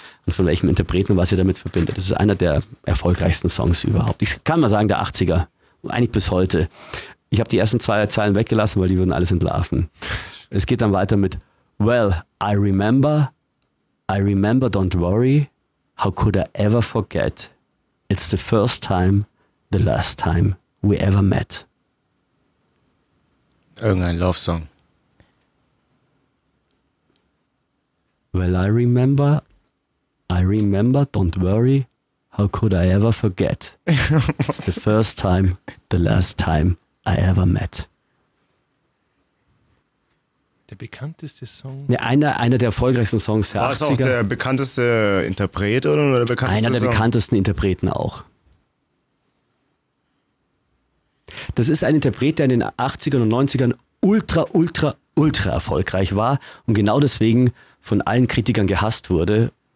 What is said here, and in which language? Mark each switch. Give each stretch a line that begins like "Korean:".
German: Und von welchem Interpreten, was ihr damit verbindet. Das ist einer der erfolgreichsten Songs überhaupt. Ich kann mal sagen, der 80er. Eigentlich bis heute. Ich habe die ersten zwei Zeilen weggelassen, weil die würden alles entlarven. Es geht dann weiter mit
English: Well, I remember, don't worry. How could I ever forget? It's the first time, the last time we ever met.
German: Irgendein Love Song.
English: Well, I remember, don't worry, how could I ever forget? It's the first time, the last time I ever met.
German: Der bekannteste Song? Ja, einer der erfolgreichsten Songs der 80er. War es auch der bekannteste Interpret oder der bekannteste Song? Einer der bekanntesten Interpreten auch. Das ist ein Interpret, der in den 80ern und 90ern ultra, ultra, ultra erfolgreich war und genau deswegen von allen Kritikern gehasst wurde.